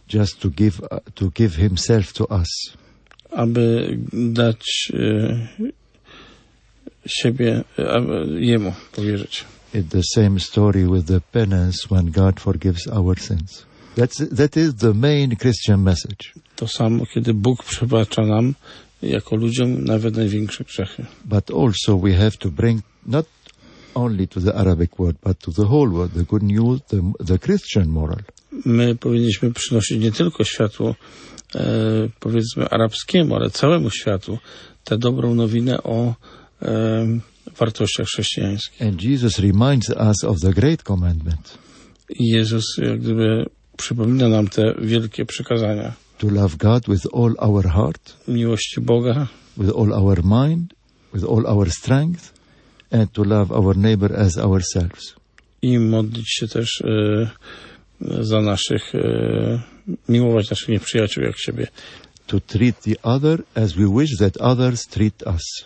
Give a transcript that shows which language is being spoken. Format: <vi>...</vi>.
<en>Just to give himself to us.</en> <pl>Aby dać siebie, aby jemu powierzyć.</pl> <en>It's the same story with the penance when God forgives our sins. That is the main Christian message.</en> <pl>To samo, kiedy Bóg przebacza nam jako ludziom nawet największe grzechy.</pl> <en>But also we have to bring not only to the Arabic world, but to the whole world, the good news, the Christian moral.</en> <pl>My powinniśmy przynosić nie tylko światło, powiedzmy arabskiemu, ale całemu światu tę dobrą nowinę o wartościach chrześcijańskich.</pl> <en>And Jesus reminds us of the great commandment.</en> <pl>Jezus jak gdyby przypomina nam te wielkie przykazania.</pl> <en>To love God with all our heart,</en> <pl>miłości Boga,</pl> <en>with all our mind, with all our strength, and to love our neighbor as ourselves.</en> <pl>I modlić się też za naszych, miłować naszych nieprzyjaciół jak siebie.</pl> <en>To treat the other as we wish that others treat us.</en>